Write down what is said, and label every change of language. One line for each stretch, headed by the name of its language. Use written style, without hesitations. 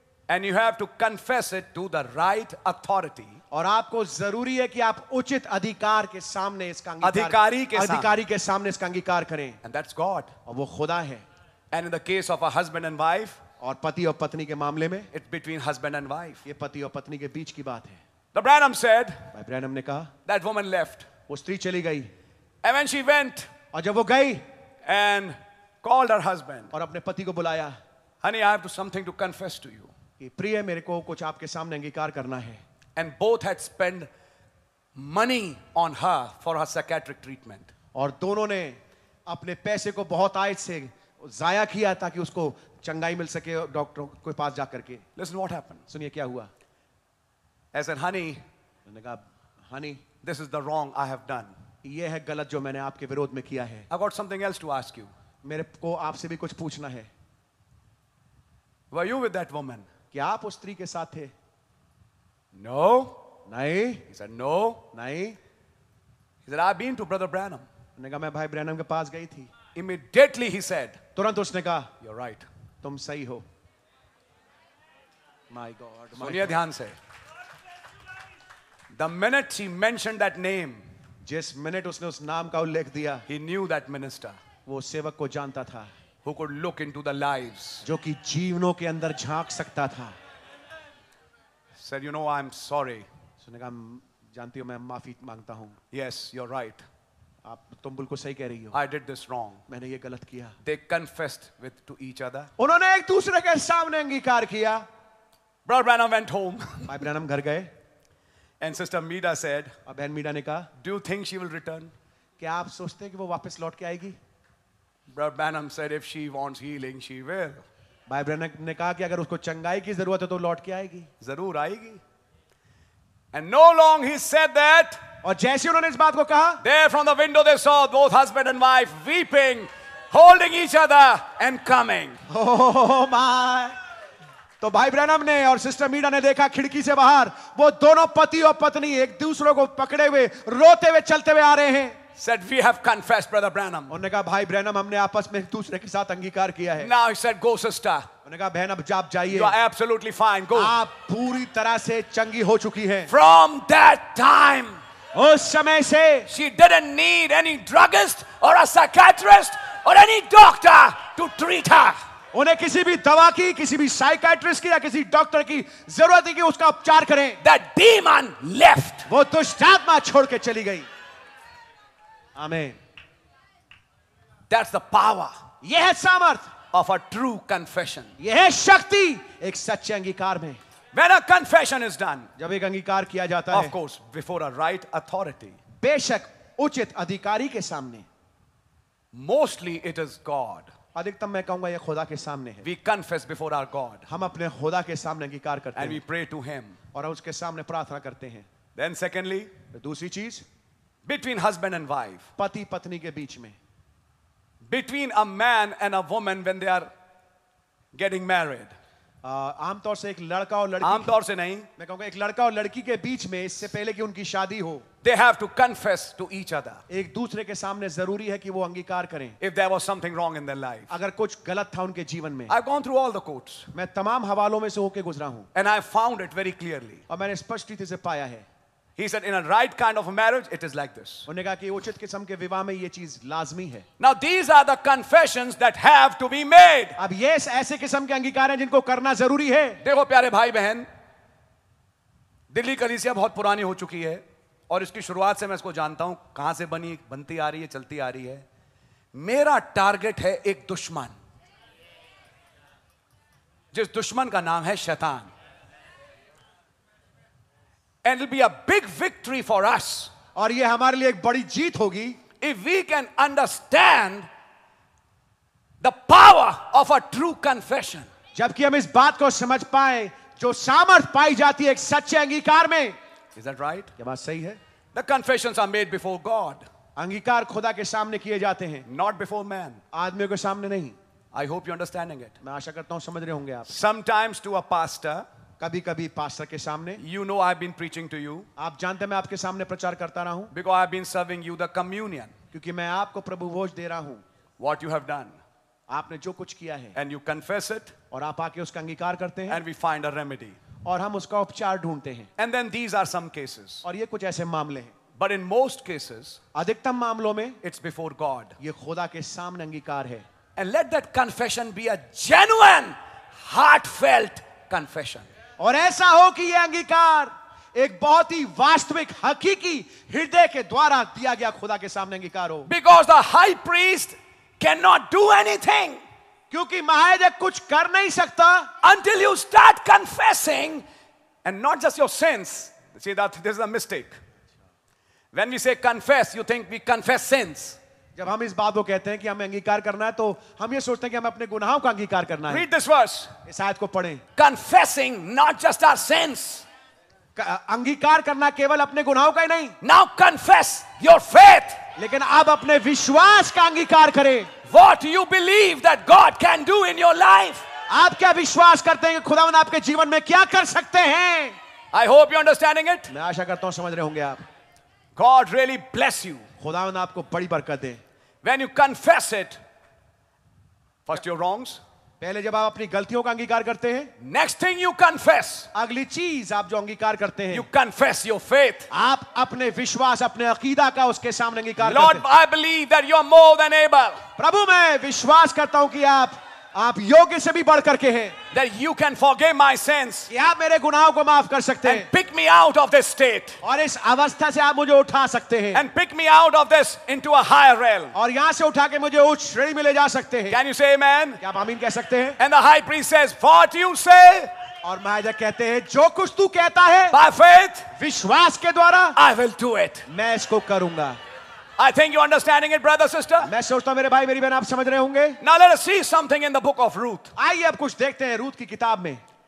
English: And you have to confess it to the right authority.
Hindi: और आपको जरूरी है कि आप उचित अधिकार के सामने इसका अधिकारी के सामने इसका अंगीकार करें.
English: And that's God.
Hindi: और वो खुदा है.
English: And in the case of a husband and wife.
Hindi: और पति और पत्नी के मामले में.
English: It's between husband and wife.
Hindi: ये पति और पत्नी के बीच की बात है.
English: The Branham said.
Hindi: भाई ब्रैनम ने कहा.
English: That woman left.
Hindi: वो स्त्री चली गई.
English: And when she went.
Hindi: और जब वो गई.
English: And called her husband.
Hindi: और अपने पति को बुलाया.
English: Honey, I have to something to confess to you.
Hindi: कि प्रिय मेरे को कुछ आपके सामने अंगीकार करना है.
English: And both had spent money on her for her psychiatric treatment.
Hindi: और दोनों ने अपने पैसे को बहुत आय से जाया किया ताकि उसको चंगाई मिल सके डॉक्टर के पास जाकर के.
English: Listen what happened.
Hindi: सुनिए क्या हुआ.
English: I said, honey.
Hindi: मैंने कहा, honey.
English: This is the wrong I have done.
Hindi: ये है गलत जो मैंने आपके विरोध में किया है.
English: I got something else to ask you.
Hindi: मेरे को आपसे भी कुछ पूछना है.
English: Were you with that woman?
Hindi: क्या आप उस स्त्री के साथ थे?
English: No.
Hindi: नहीं.
English: He said, no.
Hindi: नहीं.
English: He said, I've been to Brother Branham.
Hindi: मैंने कहा, मैं भाई ब्रैनम के पास गई थी.
English: Immediately he said.
Hindi: तुरंत उसने कहा,
English: You're right.
Hindi: तुम सही हो.
English: My God.
Hindi: सुनिए ध्यान से.
English: The minute she mentioned that name.
Hindi: जिस मिनट उसने उस नाम का उल्लेख दिया.
English: He knew that minister.
Hindi: वो सेवक को जानता था.
English: Who could look into the lives.
Hindi: जो कि जीवनों के अंदर झांक सकता था.
English: Said, you know, I'm sorry.
Hindi: सुने कहा, जानती हो मैं माफी मांगता हूँ.
English: Yes, you're right.
Hindi: आप तुम बिल्कुल सही कह रही हो.
English: I did this wrong.
Hindi: मैंने ये गलत किया.
English: They confessed with to each other.
Hindi: उन्होंने एक दूसरे के सामने अंगीकार किया.
English: Brother Branham went home.
Hindi: भाई ब्रैनम घर गए.
English: And Sister Meeta said.
Hindi: और बहन मीडा ने कहा.
English: Do you think she will return?
Hindi: क्या आप सोचते हैं कि वो वापस लौट के आएगी?
English: Brother Branham said, if she wants healing, she will.
Hindi: भाई ब्रैनम ने कहा कि अगर उसको चंगाई की जरूरत है तो लौट के आएगी. जरूर आएगी.
English: And no long he said that.
Hindi: और जैसे उन्होंने इस बात को कहा.
English: There from the window they saw both husband and wife weeping, holding each other and coming. Oh my.
Hindi: तो भाई ब्रैनम ने और सिस्टर मीडा ने देखा खिड़की से बाहर वो दोनों पति और पत्नी एक दूसरे को पकड़े हुए रोते हुए चलते हुए आ रहे हैं.
English: Said we have confessed, Brother Branham.
Hindi: उन्होंने कहा भाई ब्रैनम हमने आपस में दूसरे के साथ अंगीकार किया है.
English: Now he said go sister.
Hindi: उन्होंने कहा बहन अब आप जाइए.
English: You are absolutely fine. Go.
Hindi: आप पूरी तरह से चंगी हो चुकी हैं.
English: From that time.
Hindi: उस समय से.
English: She didn't need any druggist or a psychiatrist or any doctor to treat her.
Hindi: उन्हें किसी भी दवा की किसी भी साइकाइट्रिस्ट की या किसी डॉक्टर की जरूरत नहीं कि उसका उपचार करें.
English: The demon left.
Hindi: वो दुष्टात्मा छोड़ के चली गई.
English: Amen. That's the power.
Hindi: यह है सामर्थ.
English: Of a true confession.
Hindi: यह है शक्ति एक सच्चे अंगीकार में.
English: When a confession is done.
Hindi: जब एक अंगीकार किया जाता है.
English: Of course, before a right authority.
Hindi: बेशक उचित अधिकारी के सामने.
English: Mostly it is God.
Hindi: अधिकतम मैं कहूंगा यह खुदा के सामने है.
English: We confess before our God.
Hindi: हम अपने खुदा के सामने अंगीकार करते हैं.
English: And we pray to Him.
Hindi: और उसके सामने प्रार्थना करते हैं.
English: Then secondly.
Hindi: दूसरी चीज.
English: Between husband and wife.
Hindi: पति पत्नी के बीच में.
English: Between a man and a woman when they are getting married.
Hindi: आमतौर से एक लड़का और लड़की. आमतौर से नहीं. मैं कहूँगा एक लड़का और लड़की के बीच में इससे पहले कि उनकी शादी हो.
English: They have to confess to each other.
Hindi: एक दूसरे के सामने जरूरी है कि वो अंगीकार करें.
English: If there was something wrong in their life.
Hindi: अगर कुछ गलत था उनके जीवन में.
English: I've gone through all the courts.
Hindi: मैं तमाम हवालों में से होके गुजरा हूँ.
English: And I found it very clearly.
Hindi: और मैंने स्पष्ट रीति से पाया है.
English: He said, in a right kind of a marriage, it is like this.
Hindi: उन्होंने कहा कि उचित किस्म के विवाह में ये चीज लाजमी है.
English: Now these are the confessions that have to be made.
Hindi: अब ये ऐसे किस्म के अंगीकार हैं जिनको करना जरूरी है. देखो प्यारे भाई बहन, दिल्ली कलीसिया बहुत पुरानी हो चुकी है और इसकी शुरुआत से मैं इसको जानता हूं. कहां से बनी बनती आ रही है, चलती आ रही है. मेरा टारगेट है एक दुश्मन, जिस दुश्मन का नाम है शैतान.
English: And it'll be a big victory for us.
Hindi: और ये हमारे लिए एक बड़ी जीत होगी.
English: If we can understand the power of a true confession.
Hindi: जबकि हम इस बात को समझ पाए जो सामर्थ पाई जाती है एक सच्चे अंगीकार में.
English: Is that right?
Hindi: ये बात सही है.
English: The confessions are made before God.
Hindi: अंगीकार खुदा के सामने किए जाते हैं.
English: Not before man.
Hindi: आदमियों के सामने नहीं.
English: I hope you're understanding it.
Hindi: मैं आशा करता हूँ समझ रहे होंगे आप.
English: Sometimes to a pastor.
Hindi: कभी कभी पास्टर के सामने.
English: You know I've been preaching to you.
Hindi: आप जानते हैं मैं आपके सामने प्रचार करता रहा हूं.
English: Because I've been serving you the communion.
Hindi: क्योंकि मैं आपको प्रभु भोज दे रहा हूं.
English: What you have done.
Hindi: आपने जो कुछ किया है
English: and you confess it
Hindi: और आप आके उसका अंगीकार करते हैं
English: and we find a remedy
Hindi: और हम उसका उपचार ढूंढते हैं
English: and then these are some cases
Hindi: और ये कुछ ऐसे मामले हैं
English: But in most cases,
Hindi: अधिकतम मामलों में,
English: it's before God.
Hindi: ये खुदा के सामने अंगीकार है.
English: And let that confession be a genuine, heartfelt confession.
Hindi: और ऐसा हो कि ये अंगीकार एक बहुत ही वास्तविक, हकीकी हृदय के द्वारा दिया गया खुदा के सामने अंगीकार हो.
English: Because the high priest cannot do anything.
Hindi: क्योंकि महायाजक कुछ कर नहीं सकता.
English: Until you start confessing, and not just your sins. See that this is a mistake. When we say confess, you think we confess sins.
Hindi: जब हम इस बात को कहते हैं कि हमें अंगीकार करना है, तो हम ये सोचते हैं कि हमें अपने गुनाहों का अंगीकार करना है.
English: Read this verse.
Hindi: इस आयत को पढ़ें.
English: Confessing not just our sins.
Hindi: अंगीकार करना केवल अपने गुनाहों का ही नहीं.
English: Now confess your faith.
Hindi: लेकिन अब अपने विश्वास का अंगीकार करें.
English: What you believe that God can do in your life.
Hindi: आप क्या विश्वास करते हैं कि खुदावन आपके जीवन में क्या कर सकते हैं?
English: I hope you're understanding it.
Hindi: मैं आशा करता हूँ समझ रहे होंगे आप.
English: God really bless you.
Hindi: खुदावन आपको बड़ी बरकत दे.
English: When you confess it, first your wrongs.
Hindi: पहले जब आप अपनी गलतियों का अंगीकार करते हैं.
English: Next thing you confess.
Hindi: अगली चीज आप जो अंगीकार करते हैं.
English: You confess your faith.
Hindi: आप अपने विश्वास, अपने अकीदा का उसके सामने अंगीकार करते हैं.
English: Lord, I believe that you are more than able.
Hindi: प्रभु, मैं विश्वास करता हूँ कि आप योग्य से भी बढ़ करके हैं.
English: That you can forgive my sins.
Hindi: आप मेरे गुनाहों को माफ कर सकते हैं.
English: And pick me out of this state.
Hindi: और इस अवस्था से आप मुझे उठा सकते हैं.
English: And pick me out of this into a higher realm.
Hindi: और यहाँ से उठा के मुझे उच्च श्रेणी में ले जा सकते हैं.
English: Can you say amen?
Hindi: क्या आप आमीन कह सकते हैं?
English: And the high priest says, "What you say?"
Hindi: और महायाजक कहते हैं, जो कुछ तू कहता है,
English: by faith,
Hindi: विश्वास के द्वारा,
English: I will do it.
Hindi: मैं इसको करूंगा.
English: I think you're understanding it, brother, sister.
Hindi: मैं सोचता हूँ मेरे भाई, मेरी बहन, आप समझ रहे होंगे.
English: Now let us see something in the book of Ruth.
Hindi: आइए अब कुछ देखते हैं रूथ की किताब में.